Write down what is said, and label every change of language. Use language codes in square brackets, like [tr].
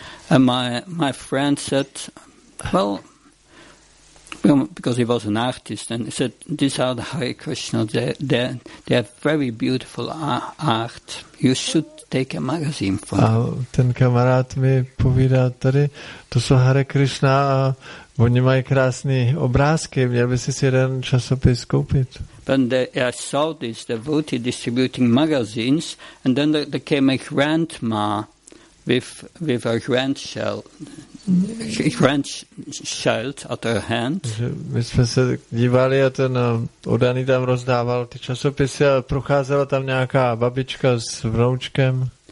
[en] And my friend said, well, because he was an artist, and he said, these are the Hare Krishna, they have very beautiful art. You should take a magazine from them. [cs] A ten kamarád mi povídá tady, to jsou Hare Krishna a oni mají krásné obrázky, měl by si jeden časopis koupit. [en] When I saw this devotee distributing magazines, and then there came a grandma with a grandchild at her hand. [cs] My jsme se dívali a ten oddaný tam rozdával ty časopisy a procházela tam nějaká babička s vnoučkem.